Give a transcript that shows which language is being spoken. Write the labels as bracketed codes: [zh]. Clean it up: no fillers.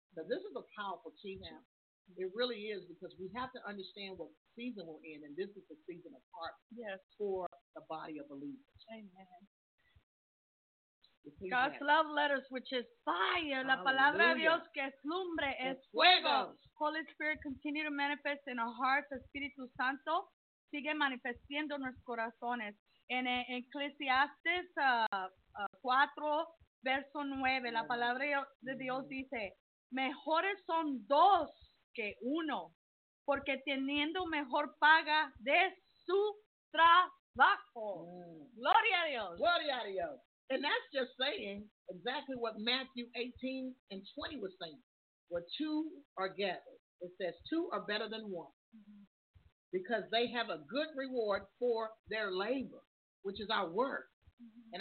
[en] But this is a powerful teaching. It really is, because we have to understand what season we're in, and this is the season of harvest. Yes. For the body of believers. Amen. God's love letters, which is fire, [es] la palabra de Dios que es lumbre, es fuego. [en] Holy Spirit, continue to manifest in our hearts. [es] Espíritu Santo, sigue manifestando nuestros corazones. En Ecclesiastes 4, verso 9, la palabra de Dios dice, mejores son dos que uno, porque teniendo mejor paga de su trabajo. Mm. Gloria a Dios. Gloria a Dios. [en] And that's just saying exactly what Matthew 18 and 20 was saying. Where two are gathered, it says two are better than one. Mm-hmm. Because they have a good reward for their labor, which is our work. Mm-hmm.